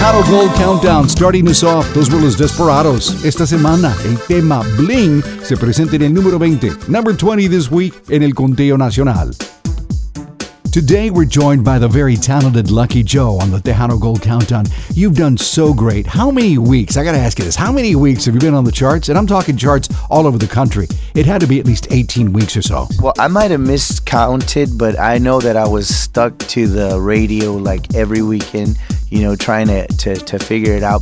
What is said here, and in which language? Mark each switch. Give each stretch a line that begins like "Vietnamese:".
English: Gold Countdown, starting us off, those were Los Desperados.
Spanish: Esta semana, el tema Bling se presenta en el número 20,
English: number 20 this week
Spanish: en el conteo nacional.
English: Today, we're joined by the very talented Lucky Joe on the Tejano Gold Countdown. You've done so great. How many weeks, I got to ask you this, how many weeks have you been on the charts? And I'm talking charts all over the country. It had to be at least 18 weeks or so. Well, I might have miscounted, but I know that I was stuck to the radio like every weekend, you know, trying to figure it out.